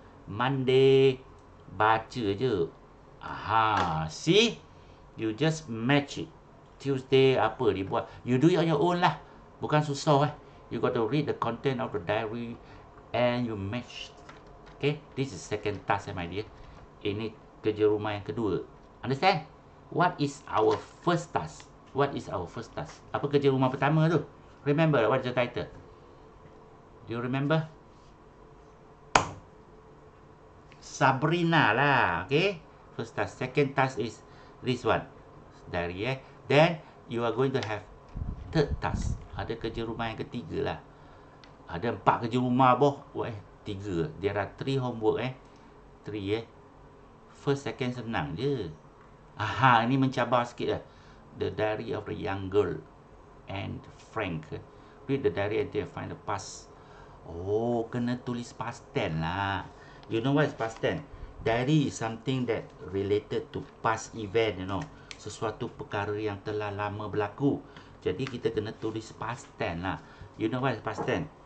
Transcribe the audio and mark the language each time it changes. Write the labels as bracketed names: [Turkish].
[Malay] Monday, baca je. Aha, see? [English] You just match it. Tuesday, [Malay] apa dia buat? [English] You do it on your own lah. [Malay] Bukan susah, eh. [English] You got to read the content of the diary and you match. Okay, this is second task, my dear. [Malay] Ini kerja rumah yang kedua. [English] Understand? What is our first task? What is our first task? [Malay] Apa kerja rumah pertama tu? [English] Remember, what is the title? Do you remember? Sabrina lah, okay? First task. Second task is this one. Dari, eh. Then, you are going to have third task. [Malay] Ada kerja rumah yang ketiga lah. Ada 4 kerja rumah, boh. Wah, eh. 3. [English] There are 3 homework, eh. 3, eh. First, second, senang je. [Malay] Aha, ini mencabar sikit lah. [English] The diary of the young girl and Frank. Read the diary until you find the past. Oh, [Malay] kena tulis past tense lah. [English] You know what is past tense? Diary is something that related to past event, you know. [Malay] sesuatu perkara yang telah lama berlaku. Jadi kita kena tulis past tense lah. [English] You know what is past tense?